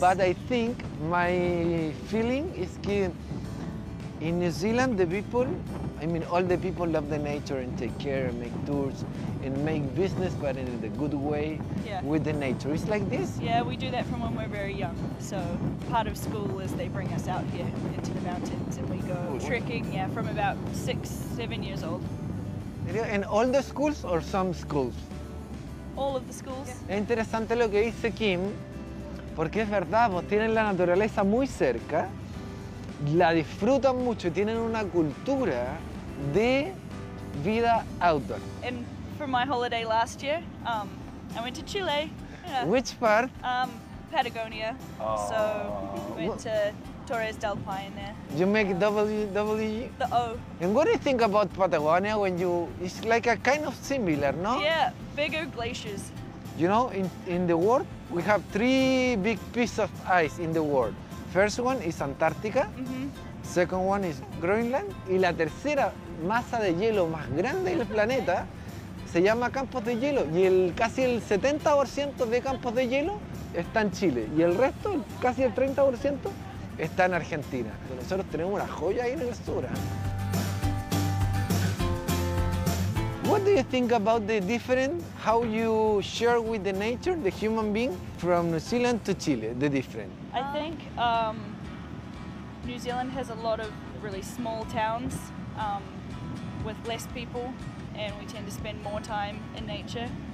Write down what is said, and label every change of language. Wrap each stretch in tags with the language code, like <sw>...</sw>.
<en>But I think my feeling is that in New Zealand, the people, I mean, all the people love the nature and take care and make tours and make business, but in a good way with the nature. It's like this? Yeah, we do that from when we're very young. So part of school is they bring us out here into the mountains and we go trekking, from about 6-7 years old. And all the schools or some schools? All of the schools.</en> <es>Es interesante lo que dice Kim, porque es verdad, vos tienen la naturaleza muy cerca, la disfrutan mucho y tienen una cultura de vida outdoor.</es> <en>And for my holiday last year, I went to Chile. Yeah. Which part? Patagonia. Oh. So we went to Torres del Paine there. You make W? The O. And what do you think about Patagonia when you... It's like a kind of similar, no? Yeah, bigger glaciers. You know, in the world, we have 3 big pieces of ice in the world. First one is Antarctica, mm-hmm. Second one is Greenland,</en> <es>y la tercera masa de hielo más grande del planeta se llama Campos de Hielo, y casi el 70% de Campos de Hielo está en Chile, y el resto, casi el 30%, está en Argentina. Nosotros tenemos una joya ahí en el sur.</es> <en>do you think about the difference, how you share with the nature, the human being, from New Zealand to Chile, the difference? I think New Zealand has a lot of really small towns with less people, and we tend to spend more time in nature.</en>